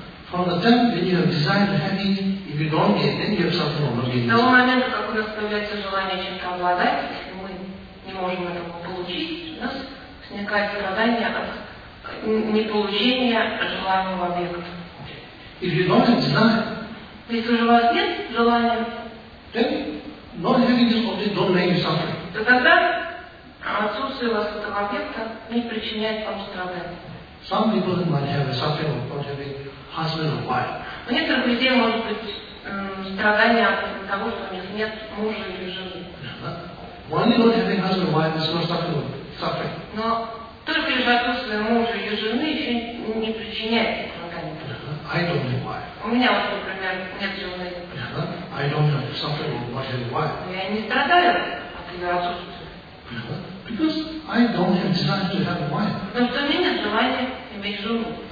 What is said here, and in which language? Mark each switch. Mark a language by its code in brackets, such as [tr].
[en] From the time when you have desire to have it, if you don't get it, then you have suffering from not getting it. [ru] С того момента, как у нас появляется желание чем-то обладать, если мы не можем этого получить, у нас возникает страдание от неполучения желаемого объекта. [en] If you don't have desire, [ru] если уже у вас нет желания, [en] then not having this object don't make you suffering. [ru] То тогда отсутствие у вас этого объекта не причиняет вам страдания. [en] Some people might have a suffering of not having husband or wife. [ru] У некоторых людей может быть страдание от того, что у них нет мужа или жены. [en] Why you don't have a husband or wife is not suffering. [ru] Но только лишь отсутствие мужа или жены еще не причиняет страдания. [en] I don't have wife. [ru] У меня вот, например, нет жены. [en] I don't have suffering of not having wife. [ru] Я не страдаю от ее отсутствия. [en] Because I don't have desire to have a wife. [ru] Потому что у меня нет желания иметь жену.